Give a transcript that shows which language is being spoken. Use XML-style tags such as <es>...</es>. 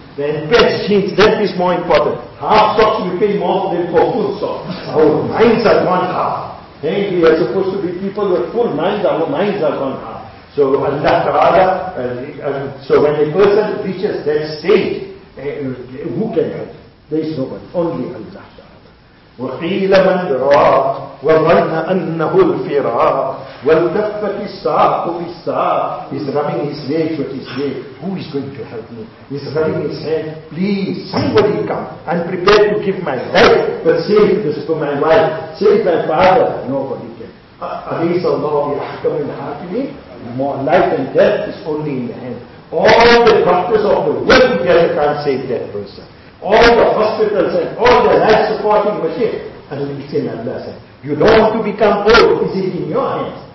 <en>Then best jeans, that is more important. Half socks we pay more than for full socks. Our minds are gone half. Then we are supposed to be people with full minds, our minds are gone half. So Allah Ta'ala, so when a person reaches that stage, who can help? There is no one, only Allah.</en> <ar>وقيل من راق وظن أنه الفراق والتفت الساق بالساق.</ar> <en>He's rubbing his legs with his leg. Who is going to help me? He's rubbing his hand. Please, somebody come. I'm prepared to give my life, but save this for my wife. Save my father. Nobody can.</en> <ar>أليس الله بأحكم الحاكمين.</ar> <en>Life and death is only in the hand. All the doctors of the world together can't save that person. All the hospitals and all the life supporting machines. And it's in Allah's hand. You don't want to become old, is it in your hands?</en>